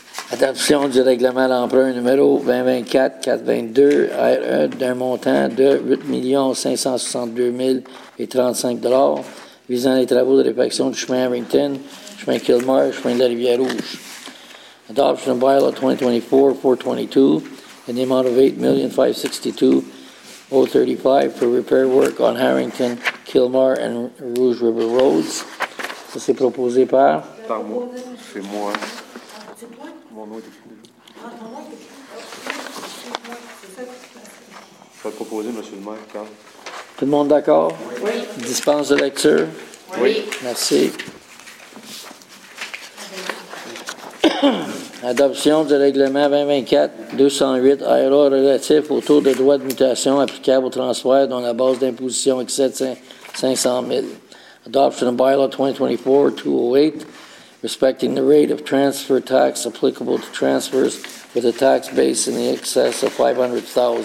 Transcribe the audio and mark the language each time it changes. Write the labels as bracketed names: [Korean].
[French] Adoption du règlement d'emprunt numéro 2024-422 d'un montant de 8 562 035 $ visant les travaux de réfection du chemin Harrington, chemin Kilmer, chemin de la Rivière-Rouge. [English] Adoption of bylaw 2024-422 in the amount of $8,562,035 for repair work on Harrington, Kilmer, and Rouge River Roads. [French] Ça, c'est proposé par? Par moi. C'est moi. C'est toi? Mon nom est écrit déjà. Je vais proposer, monsieur le maire, Carl. Tout le monde d'accord? Oui. Dispense de lecture? Oui. Merci. Adoption du règlement 2024-208 IRA relatif au taux de droit de mutation applicable au transfert dont la base d'imposition excède 500 000. [English] Adoption of bylaw 2024-208 respecting the rate of transfer tax applicable to transfers with a tax base in the excess of 500,000.